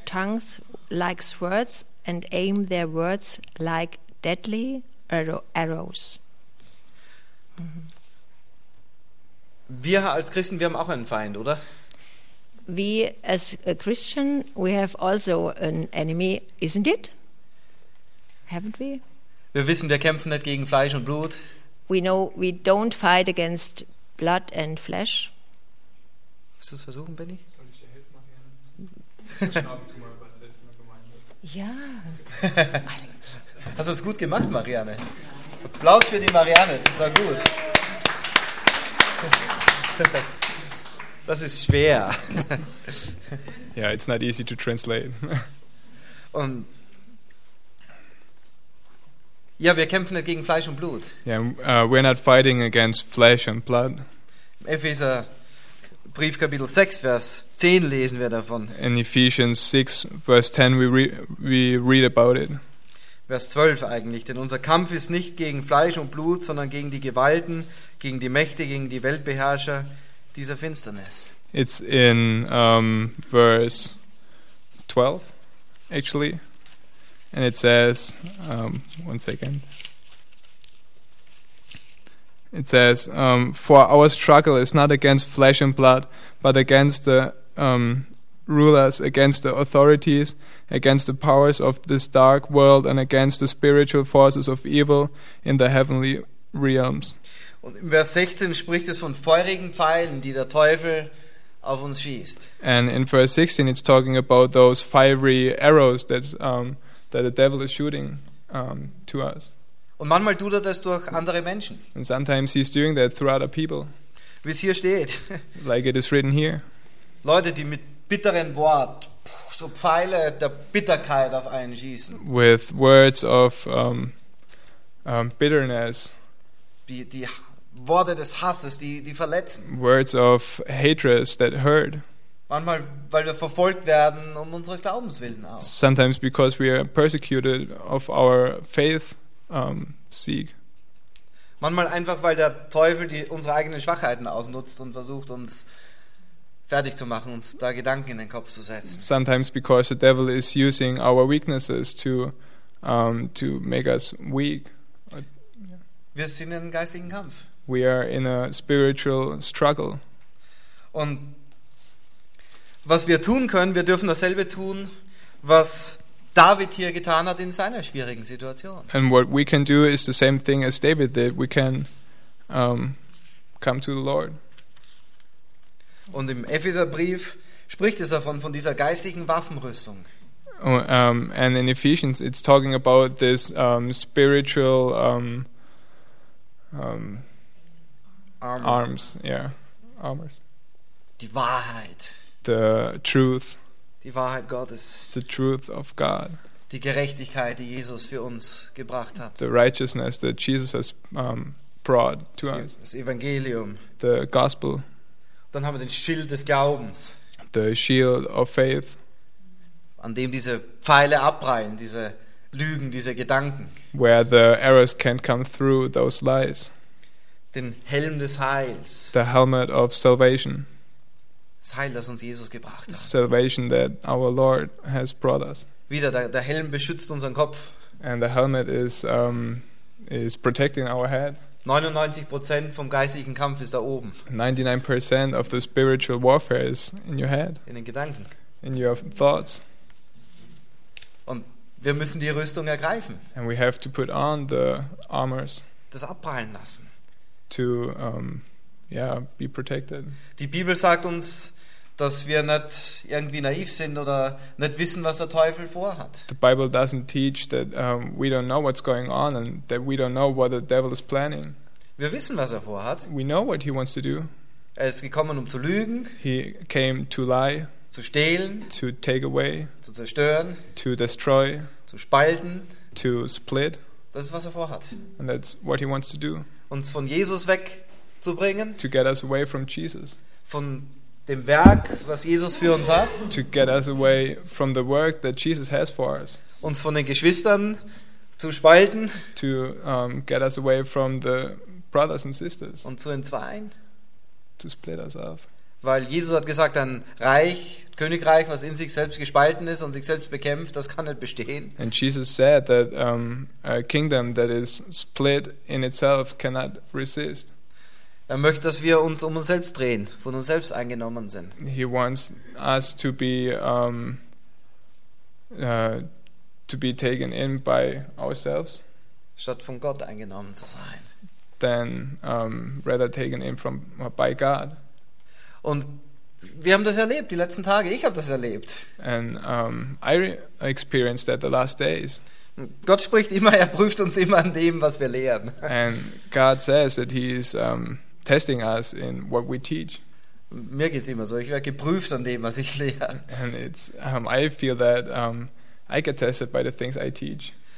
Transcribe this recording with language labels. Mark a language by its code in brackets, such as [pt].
[en] tongues like swords and aim their words like deadly arrows. [de] Wir als Christen, wir haben auch einen Feind, oder? [en] We as a Christian, we have also an enemy, isn't it? Haven't we? [de] Wir wissen, wir kämpfen nicht gegen Fleisch und Blut. [en] We know we don't fight against blood and flesh. [de] Willst du es versuchen, Benny? Soll ich dir helfen, Marianne? Ich schnappe zu mal was jetzt in der Gemeinde. Ja. Hast du es gut gemacht, Marianne? Applaus für die Marianne, das war gut. Das ist schwer. [en] Ja, yeah, it's not easy to translate. [de] Und ja, wir kämpfen nicht gegen Fleisch und Blut. [en] Yeah, we're not fighting against flesh and blood. [de] Epheser Brief Kapitel 6 Vers 10 lesen wir davon. [en] In Ephesians 6 verse 10 we read about it. [de] Vers 12 eigentlich, denn unser Kampf ist nicht gegen Fleisch und Blut, sondern gegen die Gewalten, gegen die Mächte, gegen die Weltbeherrscher dieser Finsternis. [en] It's in verse 12, actually, and it says, one second, it says, for our struggle is not against flesh and blood, but against the rulers, against the authorities, against the powers of this dark world and against the spiritual forces of evil in the heavenly realms. [de] Und in Vers 16 spricht es von feurigen Pfeilen, die der Teufel auf uns schießt. [en] And in verse 16 it's talking about those fiery arrows that the devil is shooting to us. [de] Und manchmal tut er das durch andere Menschen. [en] And sometimes he's doing that through other people. [de] Wie es hier steht. [en] Like it is written here. [de] Leute, die mit bitteren Wort so Pfeile der Bitterkeit auf einen schießen. [en] With words of bitterness. [de] Die Worte des Hasses, die verletzen. [en] Words of hatred that hurt. [de] Manchmal, weil wir verfolgt werden um unseres Glaubens willen auch. [en] Sometimes because we are persecuted of our faith seek. [de] Manchmal einfach, weil der Teufel die unsere eigenen Schwachheiten ausnutzt und versucht uns fertig zu machen, uns da Gedanken in den Kopf zu setzen. [en] Sometimes because the devil is using our weaknesses to make us weak. [de] Wir sind in einem geistigen Kampf. [en] We are in a spiritual struggle. [de] Und was wir tun können, wir dürfen dasselbe tun, was David hier getan hat in seiner schwierigen Situation. [en] And what we can do is the same thing as David did. We can come to the Lord. [de] Und im Epheserbrief spricht es davon, von dieser geistigen Waffenrüstung. [en] And in Ephesians it's talking about this spiritual arms. [de] Die Wahrheit. [en] The truth. [de] Die Wahrheit Gottes. [en] The truth of God. [de] Die Gerechtigkeit, die Jesus für uns gebracht hat. [en] The righteousness that Jesus has brought to us. [de] Das Evangelium. [en] The gospel. [de] Dann haben wir den Schild des Glaubens. [en] The shield of faith. [de] An dem diese Pfeile abprallen, diese Lügen, diese Gedanken. [en] Where the arrows can come through those lies. [de] Den Helm des Heils. [en] The helmet of salvation. [de] Das Heil, das uns Jesus gebracht hat. [en] Salvation that our Lord has brought us. [de] Wieder der Helm beschützt unseren Kopf. [en] And the helmet is protecting our head. [de] 99% vom geistigen Kampf ist da oben. [en] 99% of the spiritual warfare is in your head. [de] In den Gedanken. [en] In your thoughts. [de] Und wir müssen die Rüstung ergreifen. [en] And we have to put on the armors. [de] Das abprallen lassen. [en] To be protected. [de] Die Bibel sagt uns, dass wir nicht irgendwie naiv sind oder nicht wissen, was der Teufel vorhat. [en] The Bible doesn't teach that we don't know what's going on and that we don't know what the devil is planning. [de] Wir wissen, was er vorhat. [en] We know what he wants to do. [de] Er ist gekommen, um zu lügen. [en] He came to lie. [de] Zu stehlen. [en] To take away. [de] Zu zerstören. [en] To destroy. [de] Zu spalten. [en] To split. [de] Das ist, was er vorhat. [en] And that's what he wants to do. [de] Uns von Jesus weg. Zu bringen, [en] to get us away from Jesus, [de] von dem Werk, was Jesus für uns hat, [en] to get us away from the work that Jesus has for us, [de] uns von den Geschwistern zu spalten, [en] to get us away from the brothers and sisters, [de] und zu entzweien, [en] to split us off, [de] weil Jesus hat gesagt, ein Reich, Königreich, was in sich selbst gespalten ist und sich selbst bekämpft, das kann nicht bestehen. [en] And Jesus said that a kingdom that is split in itself cannot resist. [de] Er möchte, dass wir uns um uns selbst drehen, von uns selbst eingenommen sind. [en] He wants us to be taken in by ourselves. [de] Statt von Gott eingenommen zu sein. [en] Then rather taken in from by God. [de] Und wir haben das erlebt die letzten Tage. Ich habe das erlebt. [en] And I experienced that the last days. [de] Gott spricht immer. Er prüft uns immer an dem, was wir lehren. [en] And God says that He's testing us in what we teach. [de] Mir geht's immer so, ich werde geprüft an dem, was ich lehre. [en] And it's I feel that I get tested by the things I teach.